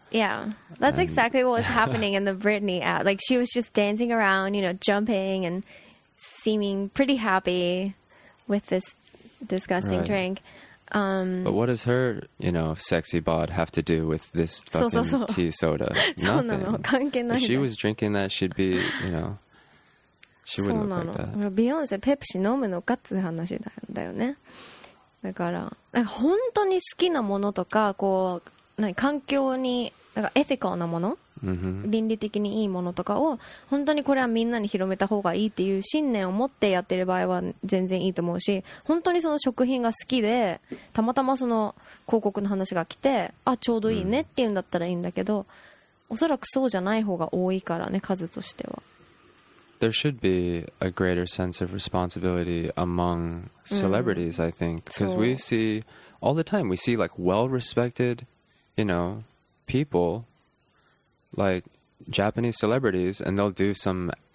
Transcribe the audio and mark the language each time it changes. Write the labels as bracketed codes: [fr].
[en] Yeah, that's exactly what was happening in the Britney ad. Like, she was just dancing around, you know, jumping and seeming pretty happy with this disgusting drink. But what does her, you know, sexy bod have to do with this fucking tea soda? Nothing. If she was drinking that, she'd be, you know, she wouldn't look like that. [ja] Beyonce, Pepsi, 飲むのかっていう話だよね。だから、なんか本当に好きなものとか、こう、何環境になんかエティカルなもの、 mm-hmm. 倫理的にいいものとかを本当にこれはみんなに広めた方がいいっていう信念を持ってやってる場合は全然いいと思うし、本当にその食品が好きでたまたまその広告の話が来てあちょうどいいねっていうんだったらいいんだけど、おそらくそうじゃない方が多いからね、数としては。 [en] There should be a greater sense of responsibility among celebrities、I think because we see all the time we see like well respectedYou know, people like Japanese celebrities, and they'll do some